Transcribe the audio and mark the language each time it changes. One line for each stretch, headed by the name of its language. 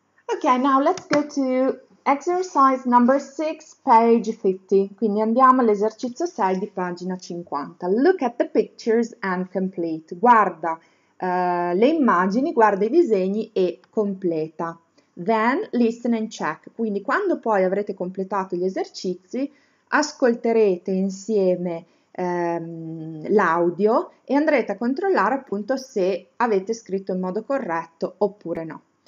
English: Okay, now let's go to exercise number 6, page 50.
Italian: Quindi andiamo all'esercizio 6 di pagina 50.
English: Look at the pictures and complete.
Italian: Guarda le immagini, guarda i disegni e completa.
English: Then listen and check.
Italian: Quindi quando poi avrete completato gli esercizi, ascolterete insieme l'audio e andrete a controllare appunto se avete scritto in modo corretto oppure no.